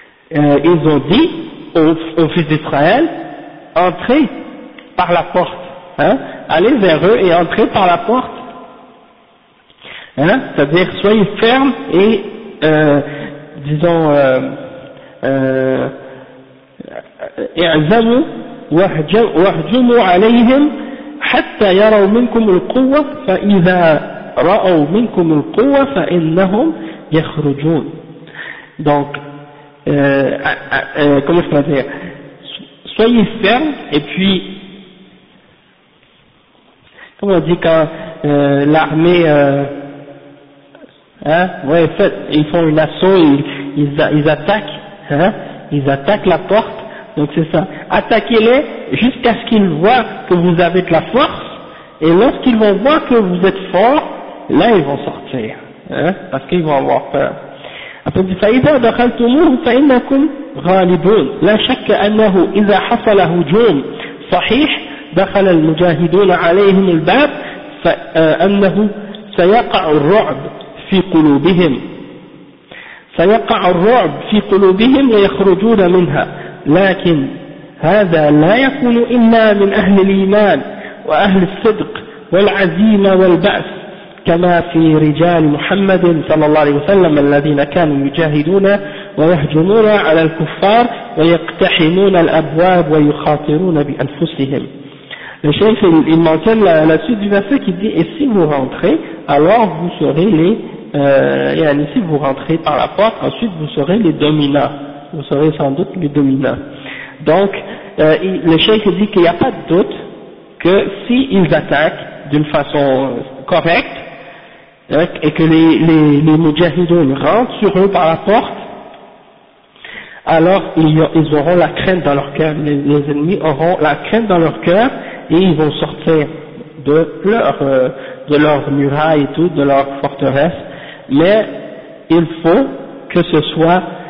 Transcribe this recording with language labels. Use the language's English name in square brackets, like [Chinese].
[French] Ils ont dit aux fils d'Israël, entrez par la porte, hein, allez vers eux et entrez par la porte. Hein, c'est-à-dire, soyez fermes et, et [Arabic] واهجموا عليهم حتى يروا منكم القوة فإذا رأوا منكم القوة فإنهم يخرجون. [French] Donc, comment je peux dire, soyez fermes et puis, comme on dit quand l'armée, ouais, fait, ils font une assaut, ils attaquent, hein, ils attaquent la porte, donc c'est ça, attaquez-les jusqu'à ce qu'ils voient que vous avez de la force, et lorsqu'ils vont voir que vous êtes fort, là ils vont sortir, hein, parce qu'ils vont avoir peur. [Arabic] أقول فإذا دخلتموه فإنكم غالبون لا شك أنه إذا حصل هجوم صحيح دخل المجاهدون عليهم الباب فأنه سيقع الرعب في قلوبهم سيقع الرعب في قلوبهم ويخرجون منها لكن هذا لا يكون إلا من أهل الإيمان وأهل الصدق والعزيمة والبعث كما في رجال محمد صلى الله عليه وسلم الذين كانوا يجاهدون ويهجمون على الكفار ويقتحمون الأبواب ويخاطرون بأنفسهم. [French] Le chef il mentionne la suite du verset qui dit et si vous rentrez alors vous serez les si vous rentrez par la porte ensuite vous serez les dominants vous serez sans doute les dominants. Donc le chef dit qu'il n'y a pas de doute que si ils attaquent d'une façon correcte et que les mujahidoun rentrent sur eux par la porte, alors ils auront la crainte dans leur cœur, les ennemis auront la crainte dans leur cœur, et ils vont sortir de leur muraille et tout, de leur forteresse, mais il faut que ce soit,